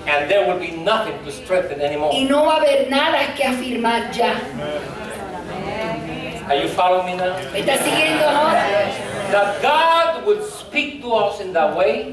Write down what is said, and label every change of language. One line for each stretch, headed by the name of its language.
English: And there will be nothing to strengthen anymore.
Spanish: Y no va a haber nada que afirmar ya.
English: Are you following me now?
Spanish: ¿Estás siguiendo ahora?
English: That God would speak to us in that way.